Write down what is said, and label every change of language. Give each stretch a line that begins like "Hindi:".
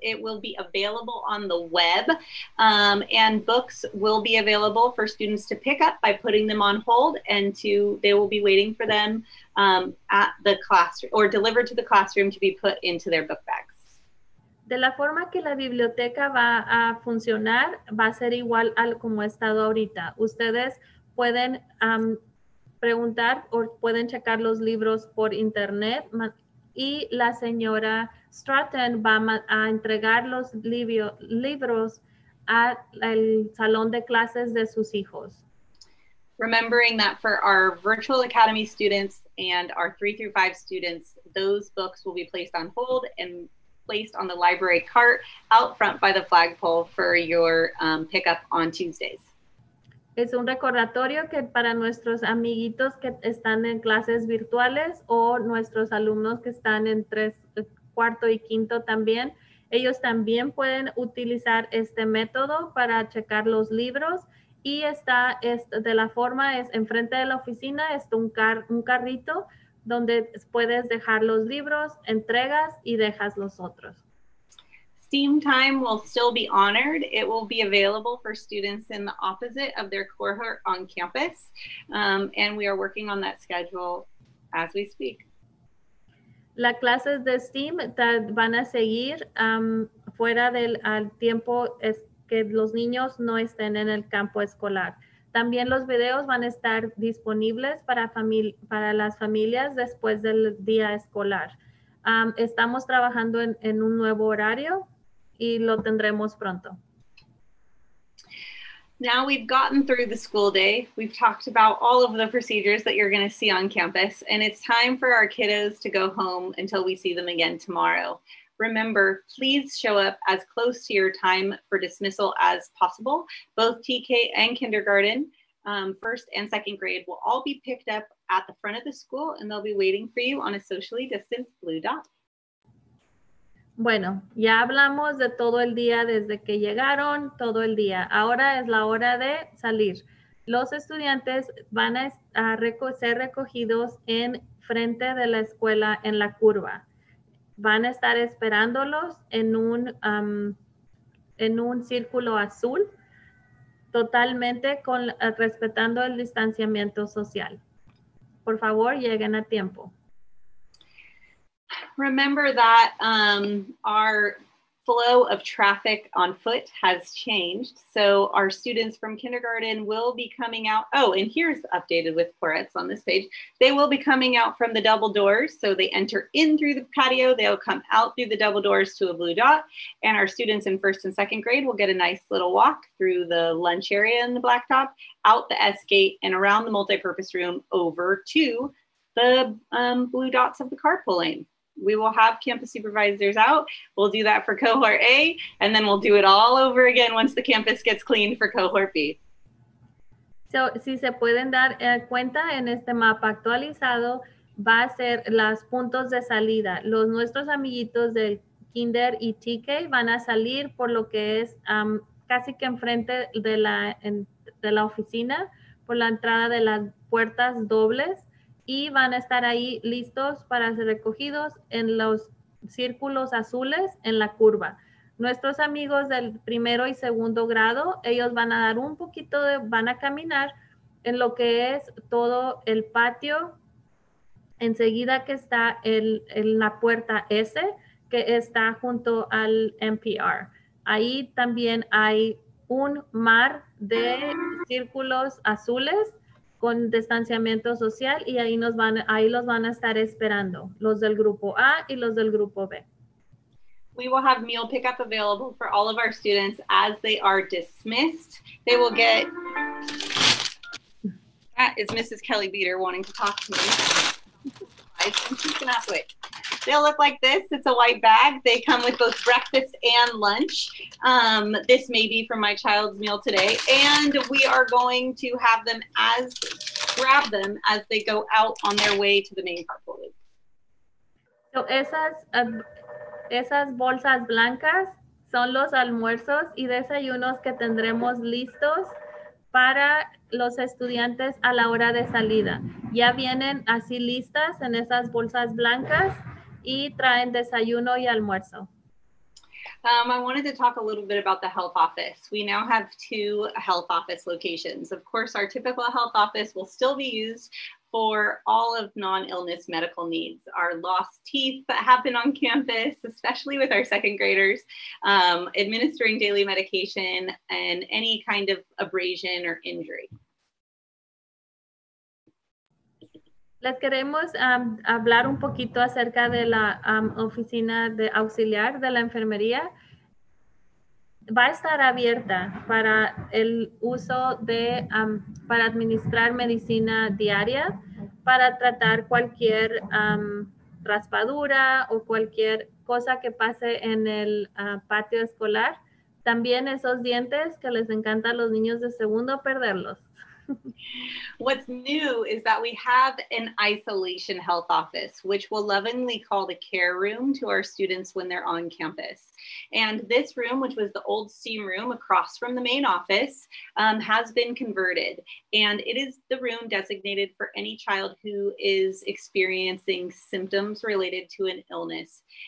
English: It will be available on the web, and books will be available for students to pick up by putting them on hold, and they will be waiting for them at the classroom or delivered to the classroom to be put into their book bags.
Spanish: De la forma que la biblioteca va a funcionar, va a ser igual al como ha estado ahorita. Ustedes pueden preguntar o pueden checar los libros por internet, y la señora Stratton va a entregar los libros al salón de clases de sus hijos.
English: Remembering that for our virtual academy students and our 3-5 students, those books will be placed on hold and placed on the library cart out front by the flagpole for your pickup on Tuesdays.
Spanish: Es un recordatorio que para nuestros amiguitos que están en clases virtuales o nuestros alumnos que están en 3, 4 y 5 también, ellos también pueden utilizar este método para checar los libros. Y está de la forma, es enfrente de la oficina, es un carrito donde puedes dejar los libros, entregas y dejas los otros.
English: STEAM time will still be honored. It will be available for students in the opposite of their cohort on campus. And we are working on that schedule as we speak.
Spanish: Las clases de STEAM van a seguir fuera del tiempo que los niños no estén en el campo escolar. También los videos van a estar disponibles para las familias después del día escolar. Estamos trabajando en un nuevo horario. Y lo tendremos pronto.
English: Now we've gotten through the school day. We've talked about all of the procedures that you're going to see on campus. And it's time for our kiddos to go home until we see them again tomorrow. Remember, please show up as close to your time for dismissal as possible. Both TK and kindergarten, first and second grade, will all be picked up at the front of the school. And they'll be waiting for you on a socially distanced blue dot.
Spanish: Bueno, ya hablamos de todo el día desde que llegaron, todo el día. Ahora es la hora de salir. Los estudiantes van a ser recogidos en frente de la escuela en la curva. Van a estar esperándolos en un círculo azul, totalmente respetando el distanciamiento social. Por favor, lleguen a tiempo.
English: Remember that our flow of traffic on foot has changed. So our students from kindergarten will be coming out. Oh, and here's updated with Porets on this page. They will be coming out from the double doors. So they enter in through the patio. They'll come out through the double doors to a blue dot. And our students in first and second grade will get a nice little walk through the lunch area in the blacktop, out the S gate and around the multipurpose room over to the blue dots of the carpool lane. We will have campus supervisors out. We'll do that for cohort A, and then we'll do it all over again once the campus gets cleaned for cohort B.
Spanish: So, si se pueden dar cuenta en este mapa actualizado, va a ser los puntos de salida. Los nuestros amiguitos del kinder y TK van a salir por lo que es casi que enfrente de la oficina, por la entrada de las puertas dobles. y van a estar ahí listos para ser recogidos en los círculos azules en la curva. Nuestros amigos del primero y segundo grado, ellos van a dar un poquito de, van a caminar en lo que es todo el patio, enseguida que está el, la puerta S, que está junto al NPR. Ahí también hay un mar de círculos azules con distanciamiento social y ahí, nos van, ahí los van a estar esperando, los del grupo A y los del grupo B.
English: We will have meal pickup available for all of our students as they are dismissed. They will get... That is Mrs. Kelly Beater wanting to talk to me. She's gonna have to wait. They'll look like this. It's a white bag. They come with both breakfast and lunch. This may be for my child's meal today. And we are going to have them as grab them as they go out on their way to the main carpool loop.
Spanish: So esas, esas bolsas blancas son los almuerzos y desayunos que tendremos listos para los estudiantes a la hora de salida. Ya vienen así listas en esas bolsas blancas y traen desayuno y almuerzo.
English: I wanted to talk a little bit about the health office. We now have two health office locations. Of course, our typical health office will still be used for all of non-illness medical needs. Our lost teeth that happen on campus, especially with our second graders, administering daily medication and any kind of abrasion or injury.
Spanish: Les queremos hablar un poquito acerca de la oficina de auxiliar de la enfermería. Va a estar abierta para el uso de, para administrar medicina diaria, para tratar cualquier raspadura o cualquier cosa que pase en el patio escolar. También esos dientes que les encanta a los niños de segundo perderlos.
English: What's new is that we have an isolation health office, which we'll lovingly call the care room to our students when they're on campus. And this room, which was the old steam room across from the main office, has been converted. And it is the room designated for any child who is experiencing symptoms related to an illness.